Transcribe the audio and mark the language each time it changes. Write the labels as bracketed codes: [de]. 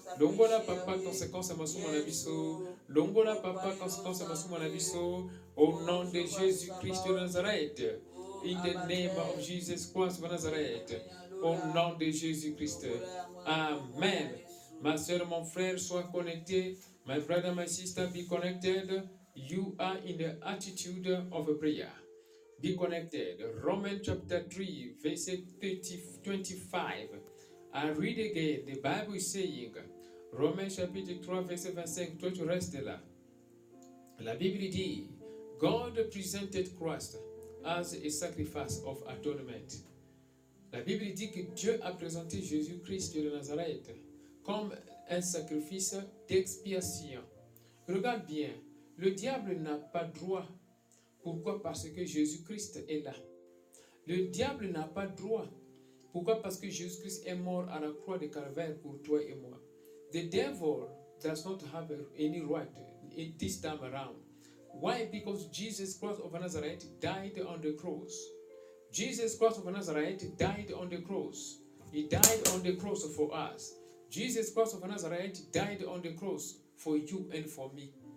[fr] Longola, Papa, conséquences à ma soumise à l'abisso. Longola, Papa, conséquences à ma soumise à l'abisso. Au nom de Jésus-Christ de Nazareth. [en] In the name of Jesus Christ of Nazareth. [fr] Au nom de Jésus-Christ. Amen. Ma soeur, mon frère, sois connecté. [en] My brother, my sister, be connected. You are in the attitude of a prayer. Be connected. Romans chapter 3, verse 25. I read again. The Bible is saying, Romans chapter 3, verse 25, [fr] toi tu restes là. La Bible dit, [en] God presented Christ as a sacrifice of atonement. [fr] La Bible dit que Dieu a présenté Jésus-Christ de Nazareth comme un sacrifice d'expiation. Regarde bien, le diable n'a pas droit. Pourquoi? Parce que Jésus-Christ est là. Le diable n'a pas droit. Pourquoi? Parce que Jésus-Christ est mort à la croix de Calvaire pour toi et moi. [en] The devil does not have any right this time around. Why? Because Jesus Christ of Nazareth died on the cross. Jesus Christ of Nazareth died on the cross. He died on the cross for us. Jesus Christ of Nazareth died on the cross for you and for me.